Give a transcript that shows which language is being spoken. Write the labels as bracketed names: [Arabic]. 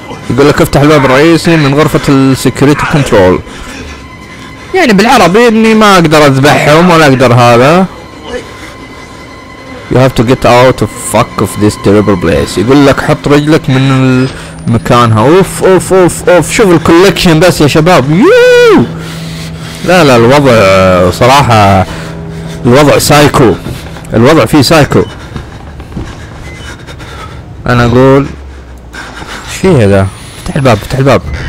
[Arabic] يقول لك افتح الباب الرئيسي من غرفة السكيورتي كنترول. يعني بالعربي اني ما اقدر اذبحهم ولا اقدر هذا. [English] You have to get out of fuck of this terrible place. [Arabic] يقول لك حط رجلك من مكانها. اوف اوف اوف اوف. شوف الكولكشن بس يا شباب. يووو. لا لا الوضع صراحة الوضع سايكو. الوضع فيه سايكو. انا اقول شفيه هذا. افتح الباب افتح الباب.